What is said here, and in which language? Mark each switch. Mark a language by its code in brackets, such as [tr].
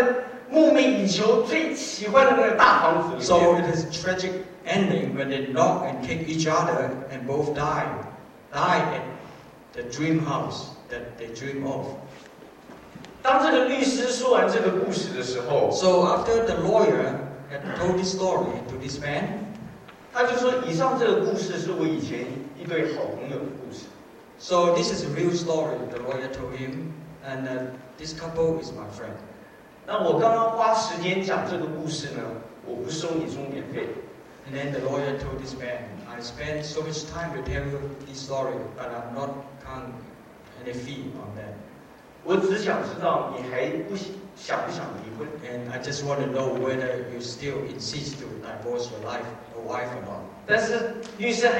[zh] 他们拳脚相向，结果最后两个人整个电影到最后的时候就是两个人打架，最后死在他们梦寐以求最喜欢的那个大房子里面。 [en] So it is a tragic ending when they knock and kick each other and both die. Die at the dream house that they dream of. [zh] 当这个律师说完这个故事的时候， [en] So after the lawyer had told this story to this man, [zh] 他就说以上这个故事是我以前一对好朋友的故事。 [en] So this is a real story the lawyer told him, and this couple is my friend. [zh] 那我刚刚花时间讲这个故事呢，我不收你钟点费。 [en] And then the lawyer told this man, I spent so much time to tell you this story, but I'm not paying any fee on that. [zh] 我只想知道你还不想不想离婚。 [en] And I just want to know whether you still insist to divorce your life, your wife or not.